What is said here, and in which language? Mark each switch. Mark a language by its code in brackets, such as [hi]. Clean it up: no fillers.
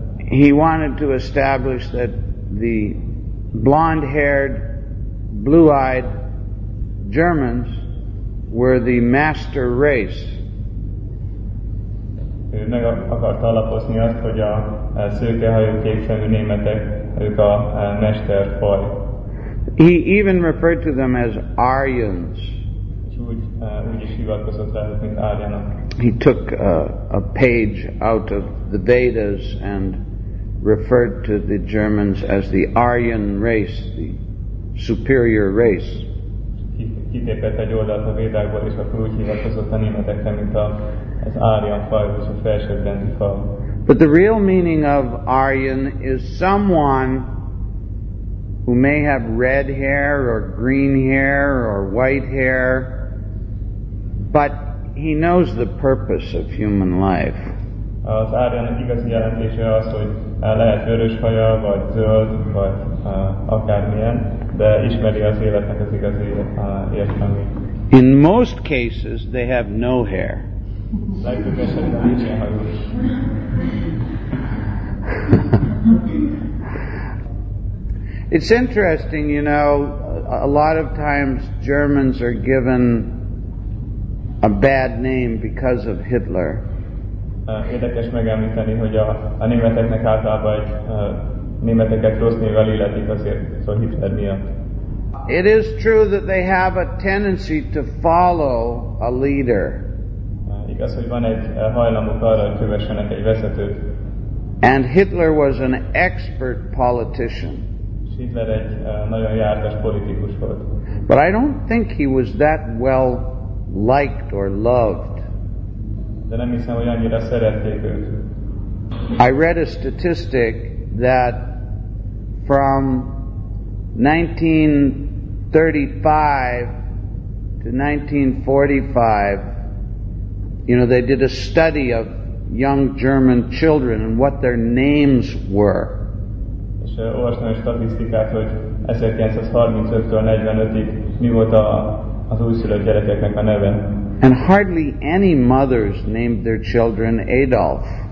[en] He wanted to establish that the blonde-haired, blue-eyed Germans were the master race. [hu] Ő meg akart alapozni azt, hogy a szőkehajú képszemű németek, ők a mesterfaj. [en] He even referred to them as Aryans. [hu] Úgy is hivatkozott rá, mint Aryanok. [en] He took a page out of the Vedas and referred to the Germans as the Aryan race, the superior race. [hu] Kitépett egy oldalt a Védákból, és akkor úgy hivatkozott a németekre, mint az Aryan fajhoz, a felsőbbrendű faj. [en] But the real meaning of Aryan is someone who may have red hair or green hair or white hair, but he knows the purpose of human life. [hu] Az Aryannak igazi jelentése az, hogy lehet vörös haja, vagy zöld, vagy akármilyen, de ismeri az életnek az igazi értelmét. [en] In most cases, they have no hair. [hu] Legtöbb esetben nincsen hajuk. [en] It's interesting, you know, a lot of times Germans are given a bad name because of Hitler. [hu] Érdekes megemlíteni, hogy a németeknek általában egy németeket rossz névvel illetik azért, szóval Hitler miatt. [en] It is true that they have a tendency to follow a leader. [hu] Igaz, hogy van egy hajlamuk arra, hogy kövessenek egy vezetőt. [en] And Hitler was an expert politician. [hu] Hitler egy nagyon jártas politikus volt. [en] But I don't think he was that well liked or loved. [hu] De nem hiszem, hogy annyira szerették őt. [en] I read a statistic that from 1935 to 1945, you know, they did a study of young German children and what their names were. [hu] És olvastam egy statisztikát, hogy 1935-től 45-ig mi volt az újszülött gyerekeknek a neve. [en] And hardly any mothers named their children Adolf.